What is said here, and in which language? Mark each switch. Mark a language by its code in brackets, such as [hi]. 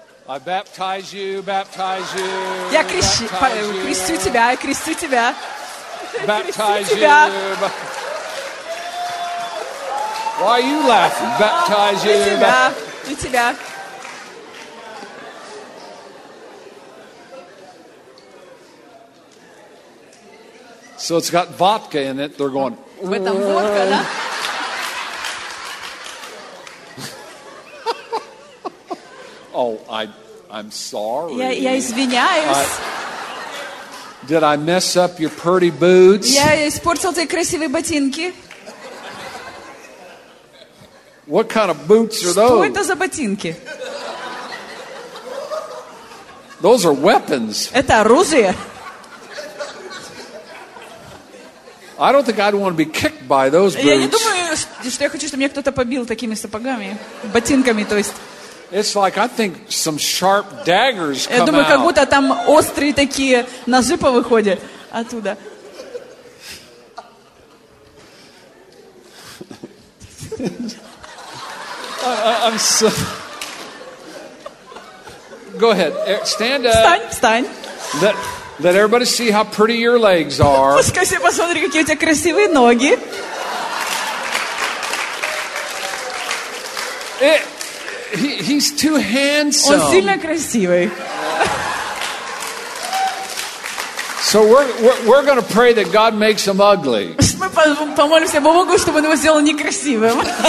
[en] I baptize you, baptize you. [ru] Я крещу тебя, я крещу тебя. [en] Baptize you. Why are you laughing? Baptize you. [ru] И тебя. [en] So it's got vodka in it. They're going. With the vodka, [ru] да? [en] Oh, I'm sorry. [ru] Я извиняюсь. [en] Did I mess up your pretty boots? [ru] Я испортил твои красивые ботинки. [en] What kind of boots are those? [ru] Что это за ботинки? [en] Those are weapons. [ru] Это оружие. [en] I don't think I'd want to be kicked by those boots. [ru] Я не думаю, что я хочу, чтобы меня кто-то побил такими сапогами, ботинками, то есть. [en] It's like I think some sharp daggers come out. [ru] Я думаю, как будто там острые такие ножи повыходят оттуда. [en] I'm so. go ahead. Stand up. [ru] Встань. [en] Let everybody see how pretty your legs are. [ru] Пускай все посмотрят, какие у тебя красивые ноги. [en] He's too handsome. [ru] Он сильно красивый. [en] So we're going to pray that God makes him ugly. [ru] Мы помолимся Богу, чтобы он его сделал некрасивым.